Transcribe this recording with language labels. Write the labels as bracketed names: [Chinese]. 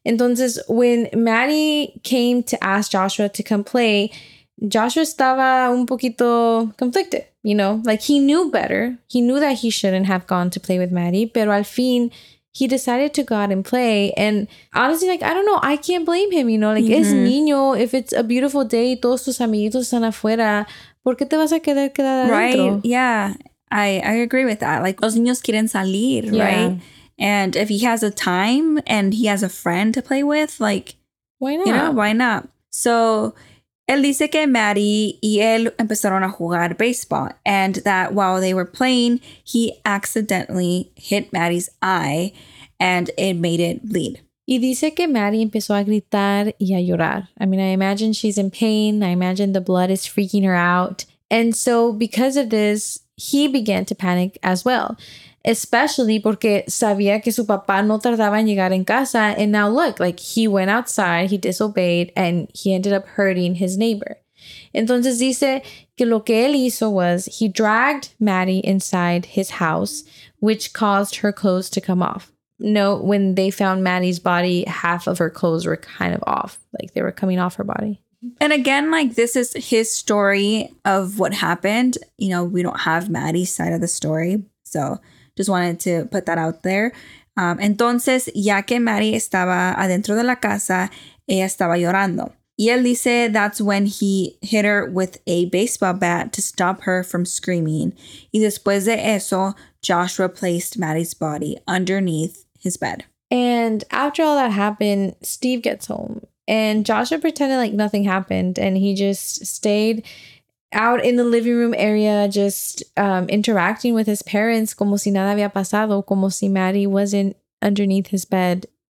[English] Entonces, when Maddie came to ask Joshua to come play, Joshua [Spanish] estaba un poquito [English] conflicted, you know? Like, he knew better. He knew that he shouldn't have gone to play with Maddie. [Spanish] Pero al fin, [English] he decided to go out and play. And honestly, like, I don't know. I can't blame him, you know? [Spanish] Like, mm-hmm. Es niño. [English] If it's a beautiful day, [Spanish] todos tus amiguitos están afuera. ¿Por qué te vas a quedar adentro? [English] Right, yeah. I agree with that. [Spanish] Like, los niños quieren salir, yeah. [English] Right? And if he has a time and he has a friend to play with, like... Why not? You know, why not? So... [Spanish] Él dice que Maddie y él empezaron a jugar baseball [English] and that while they were playing, he accidentally hit Maddie's eye and it made it bleed. [Spanish] Y dice que Maddie empezó a gritar y a llorar. [English] I mean, I imagine she's in pain. I imagine the blood is freaking her out. And so because of this, he began to panic as well, especially [Spanish] porque sabía que su papá no tardaba en llegar en casa. [English] And now look, like he went outside, he disobeyed, and he ended up hurting his neighbor. [Spanish] Entonces dice que lo que él hizo [English] was he dragged Maddie inside his house, which caused her clothes to come off. Note, when they found Maddie's body, half of her clothes were kind of off, like they were coming off her body. And again, like, this is his story of what happened. You know, we don't have Maddie's side of the story. So just wanted to put that out there. [Spanish] Entonces, ya que Maddie estaba adentro de la casa, ella estaba llorando. Y él dice [English] that's when he hit her with a baseball bat to stop her from screaming. [Spanish] Y después de eso, [English] Joshua placed Maddie's body underneath his bed. And after all that happened, Steve gets home. And Joshua pretended like nothing happened and he just stayed out in the living room area just interacting with his parents [Spanish] como si nada había pasado, como si [English] Maddie wasn't underneath his bed.